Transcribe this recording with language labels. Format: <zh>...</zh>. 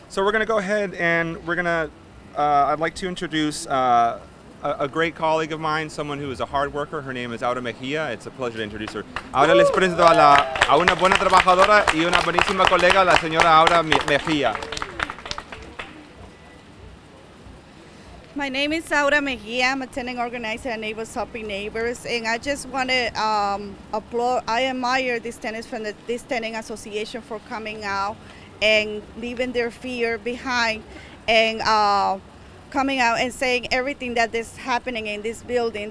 <en>So we're going to go ahead and we're going to, I'd like to introduce a great colleague of mine, someone who is a hard worker. Her name is Aura Mejia. It's a pleasure to introduce her.</en> <es>Ahora les presento a una buena trabajadora y una buenísima colega, la señora Aura Mejia.</es> <en>My name is Aura Mejia. I'm a tenant organizer at Neighbors Helping Neighbors, and I just want to applaud, I admire these tenants from this tenant association for coming out and leaving their fear behind and coming out and saying everything that is happening in this building.</en>